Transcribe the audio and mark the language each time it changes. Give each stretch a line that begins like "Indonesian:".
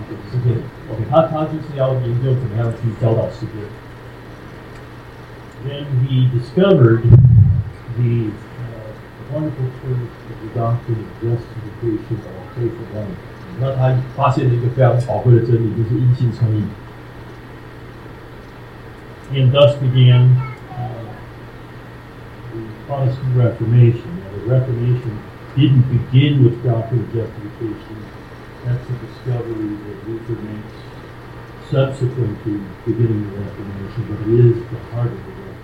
Chinese: 诗篇 ，OK， 他就是要研究怎么样去教导诗篇。
English: Then he discovered the wonderful truth of the doctrine of justification by faith alone.
Chinese: 那他发现了一个非常宝贵的真理，就是因信称义。
English: And thus began the Protestant Reformation. Now, the Reformation didn't begin with doctrine of justification. That's a discovery that Luther makes subsequent to beginning the Reformation, but it is the heart of it.